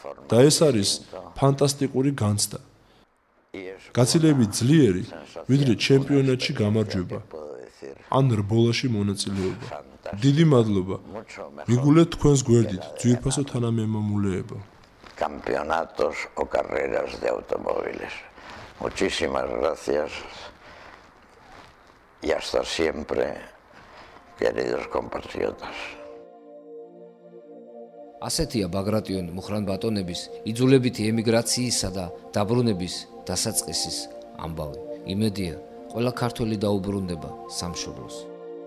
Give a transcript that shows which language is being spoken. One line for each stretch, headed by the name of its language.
Georgian: Და ეს არის ფანტასტიკური განცდა. გაცილებით ძლიერი, ვიდრე ჩემპიონატში გამარჯვება ან რბოლაში მონაწილეობა. დიდი მადლობა. ვიგულეთ თქვენს გვერდით ძვირფასო თანამემამულეებო.
Spanish: Campeonatos o carreras de automóviles. Muchísimas gracias. Y hasta siempre, queridos compatriotas.
Georgian: Ასეთია ბაგრატიონ მუხრან ბატონების იძულებითი ემიგრაციისა და დაბრუნების დასაწყისის ამბავი. Იმედია, ყველა ქართველი დაუბრუნდება სამშობლოს.